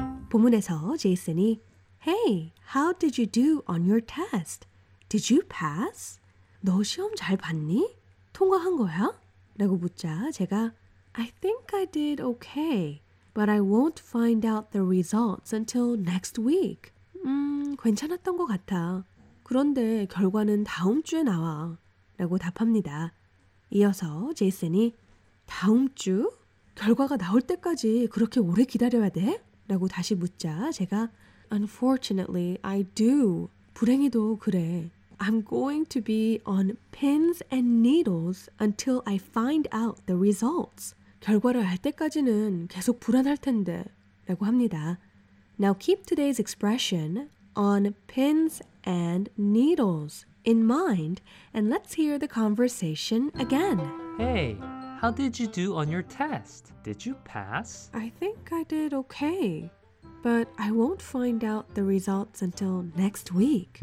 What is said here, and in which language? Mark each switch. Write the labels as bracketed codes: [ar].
[ko] 본문에서 제이슨이 [en] Hey, how did you do on your test? Did you pass? [ko] 너 시험 잘 봤니? 통과한 거야? 라고 묻자 제가 [en] I think I did okay, but I won't find out the results until next week. [ko] 괜찮았던 것 같아. 그런데 결과는 다음 주에 나와. 라고 답합니다. 이어서 제이슨이 다음 주? 결과가 나올 때까지 그렇게 오래 기다려야 돼? 라고 다시 묻자 제가 [en] Unfortunately, I do. [ko] 불행히도 그래. [en] I'm going to be on pins and needles until I find out the results. [ko] 결과를 알 때까지는 계속 불안할 텐데. 라고 합니다. [en] Now keep today's expression on pins and needles. In mind, and let's hear the conversation again. Hey, how did you do on your test? Did you pass? I think I did okay, but I won't find out the results until next week.